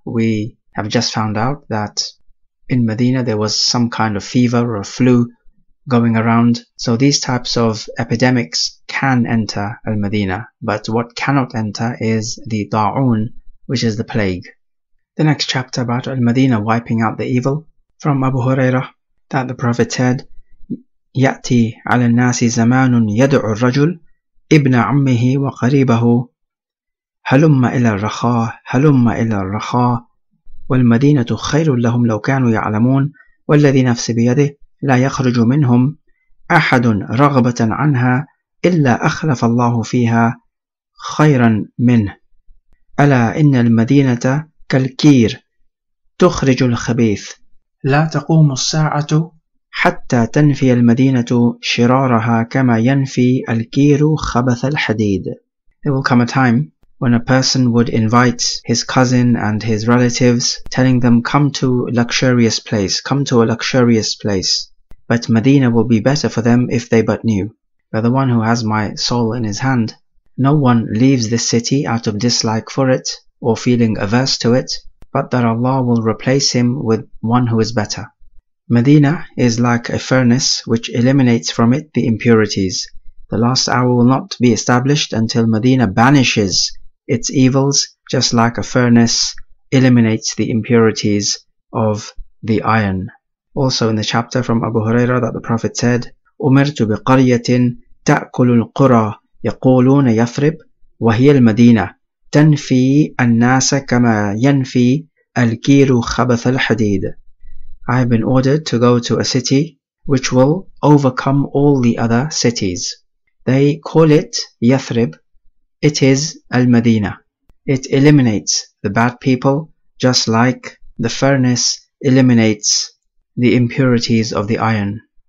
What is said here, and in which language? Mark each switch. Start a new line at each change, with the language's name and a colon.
English: We have just found out that in Medina there was some kind of fever or flu going around. So these types of epidemics can enter Al-Madinah. But what cannot enter is the Ta'un, which is the plague. The next chapter about Al-Madinah wiping out the evil. From Abu Huraira, that the Prophet said,
Arabic: يَأْتِي عَلَى النَّاسِ زَمَانٌ يَدْعُ الرَّجُلُ ابن عمه وقريبه هلم إلى الرخاء هلم إلى الرخاء والمدينة خير لهم لو كانوا يعلمون والذي نفس بيده لا يخرج منهم أحد رغبة عنها إلا أخلف الله فيها خيرا منه ألا إن المدينة كالكير تخرج الخبيث لا تقوم الساعة حتى تنفي المدينة شرارها كما ينفي الكير خبث الحديد.
English: There will come a time when a person would invite his cousin and his relatives, telling them, come to luxurious place, come to a luxurious place. But Medina will be better for them if they but knew. By the one who has my soul in his hand, no one leaves this city out of dislike for it or feeling averse to it, but that Allah will replace him with one who is better. Medina is like a furnace which eliminates from it the impurities. The last hour will not be established until Medina banishes its evils, just like a furnace eliminates the impurities of the iron. Also in the chapter from Abu Huraira that the Prophet said,
Arabic: أُمِرْتُ بِقَرْيَةٍ تَأْكُلُ الْقُرَى يَقُولُونَ يَفْرِبْ وَهِيَ الْمَدِينَةِ تَنْفِي النَّاسَ كَمَا يَنْفِي الْكِيرُ خَبَثَ الْحَدِيدِ.
English: I have been ordered to go to a city which will overcome all the other cities. They call it Yathrib. It is Al-Madinah. It eliminates the bad people just like the furnace eliminates the impurities of the iron.